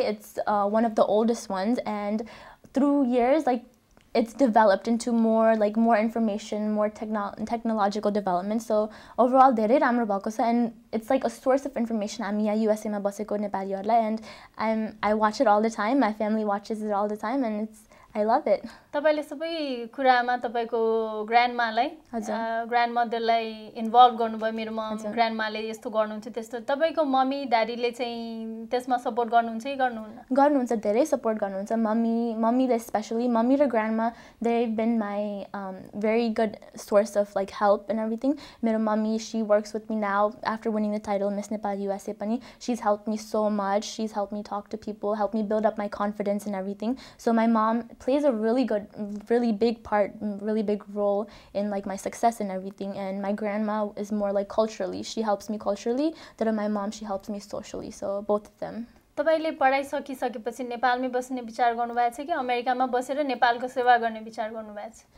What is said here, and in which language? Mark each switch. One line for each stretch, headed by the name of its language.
English: It's one of the oldest ones, and through years like it's developed into more like more information, more technological development. So overall
Nepali: dherai ramro bhako cha,
English: and it's like a source of information. I'm
Nepali: ya USA ma baseko Nepali harulai,
English: and I watch it all the time, my family watches it all the time, and I love it.
Nepali: तपाईँले सबै कुरामा तपाईँको ग्रान्डमालाई ग्रान्डमदरलाई involve गर्नुभयो. मेरोमा ग्रान्डमाले यस्तो गर्नुहुन्छ त्यस्तो, तपाईँको मम्मी ड्याडीले चाहिँ त्यसमा सपोर्ट गर्नुहुन्छ कि गर्नुहुन्न? गर्नुहुन्छ, धेरै सपोर्ट गर्नुहुन्छ. मम्मीले स्पेसली, मम्मी र ग्रान्डमा
English: They been my very good source of like help and everything. मेरो mummy, she works with me now after winning the title Miss Nepal USA पनि. She is help me so much, she is help me talk to people, help me build up my confidence and everything. So my mom plays a really good, really big part, really big role in like my success and everything. And my grandma is more like culturally, she helps me culturally, but my mom, she helps me socially. So both of them.
Nepali: तपाईँले पढाइ सकिसकेपछि नेपालमै बस्ने विचार गर्नुभएको छ कि अमेरिकामा बसेर नेपालको सेवा गर्ने विचार गर्नुभएको छ?